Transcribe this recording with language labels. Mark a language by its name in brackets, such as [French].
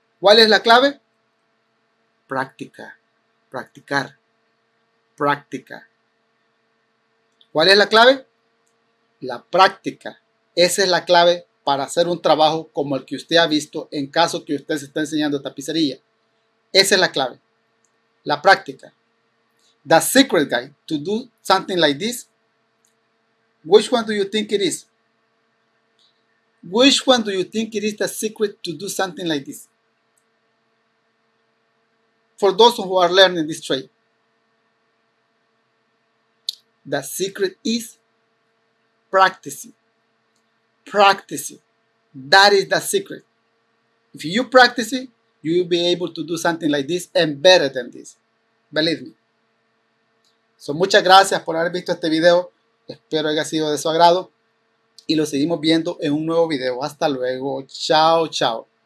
[Spanish] ¿Cuál es la clave? Práctica. Practicar. Práctica. ¿Cuál es la clave? La práctica. Esa es la clave para hacer un trabajo como el que usted ha visto en caso que usted se esté enseñando tapicería. Esa es la clave. La práctica. [English] The secret guide to do something like this. Which one do you think it is? Which one do you think it is the secret to do something like this? For those who are learning this trade. The secret is practicing. Practicing. That is the secret. If you practice it, you will be able to do something like this and better than this. Believe me. [Spanish] So, muchas gracias por haber visto este video. Espero haya sido de su agrado. Y lo seguimos viendo en un nuevo video. Hasta luego. Chao, chao.